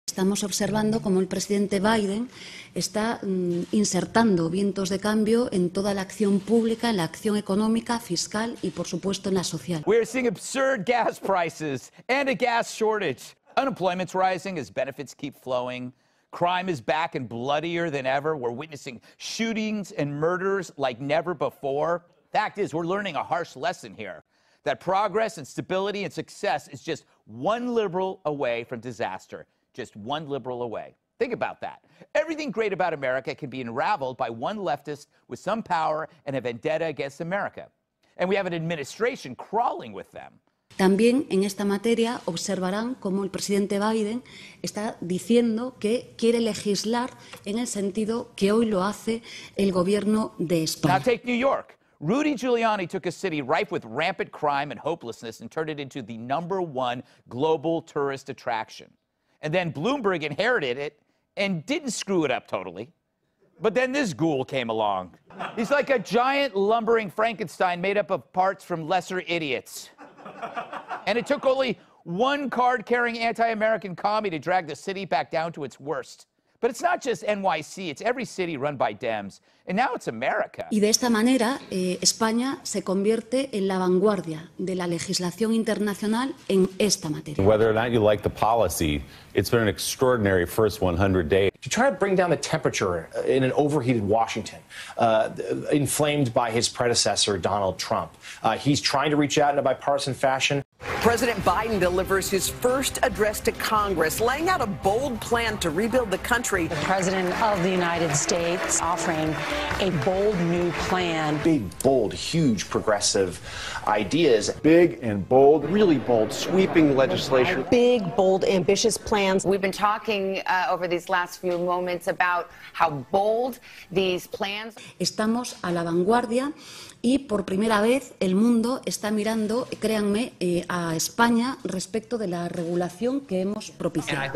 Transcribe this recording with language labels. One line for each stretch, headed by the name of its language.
Spanish: estamos observando cómo el presidente Biden está insertando vientos de cambio en toda la acción pública, en la acción económica, fiscal y, por supuesto, en la social.
English: We are seeing absurd gas prices and a gas shortage. Unemployment's rising as benefits keep flowing. Crime is back and bloodier than ever. We're witnessing shootings and murders like never before. Fact is, we're learning a harsh lesson here, that progress and stability and success is just one liberal away from disaster. Just one liberal away. Think about that. Everything great about America can be unraveled by one leftist with some power and a vendetta against America. And we have an administration crawling with them.
Spanish: También en esta materia observarán cómo el presidente Biden está diciendo que quiere legislar en el sentido que hoy lo hace el gobierno de España.
English: Now take New York. Rudy Giuliani took a city rife with rampant crime and hopelessness and turned it into the number one global tourist attraction. And then Bloomberg inherited it and didn't screw it up totally. But then this ghoul came along. He's like a giant lumbering Frankenstein made up of parts from lesser idiots. And it took only one card-carrying anti-American commie to drag the city back down to its worst. But it's not just NYC, it's every city run by Dems, and now it's America.
Spanish: Y de esta manera, España se convierte en la vanguardia de la legislación internacional en esta materia.
English: Whether or not you like the policy, it's been an extraordinary first 100 days. To try to bring down the temperature in an overheated Washington, inflamed by his predecessor, Donald Trump, he's trying to reach out in a bipartisan fashion. President Biden delivers his first address to Congress, laying out a bold plan to rebuild the country. The President of the United States offering a bold new plan. Big, bold, huge, progressive ideas. Big and bold. Really bold, sweeping legislation. Big, bold, ambitious plans. We've been talking over these last few moments about how bold these plans are.
Spanish: Estamos a la vanguardia. Y por primera vez el mundo está mirando, créanme, a España respecto de la regulación que hemos propiciado.